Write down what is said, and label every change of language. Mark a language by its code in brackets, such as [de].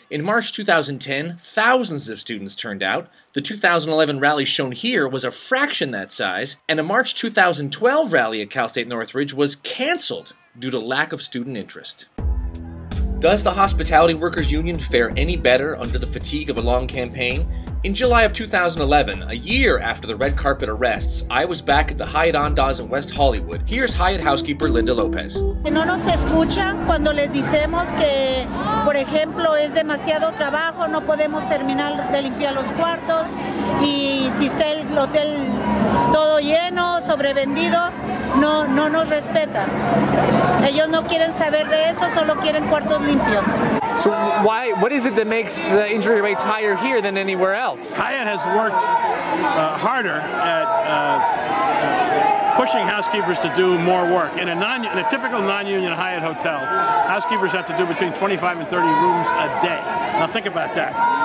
[en] In March 2010, thousands of students turned out. The 2011 rally shown here was a fraction that size, and a March 2012 rally at Cal State Northridge was canceled due to lack of student interest. Does the Hospitality Workers Union fare any better under the fatigue of a long campaign? In July of 2011, a year after the red carpet arrests, I was back at the Hyatt Ondas in West Hollywood. Here's Hyatt housekeeper Linda Lopez. [es] No nos escuchan cuando les decimos que, por ejemplo, es demasiado trabajo, no podemos terminar de limpiar los cuartos, y si está el hotel todo lleno, sobrevendido, no nos respetan. Ellos no quieren saber de eso, solo quieren cuartos limpios. [en] So why? What is it that makes the injury rates higher here than anywhere else? Hyatt has worked harder at pushing housekeepers to do more work. In a typical non-union Hyatt hotel, housekeepers have to do between 25 and 30 rooms a day. Now think about that.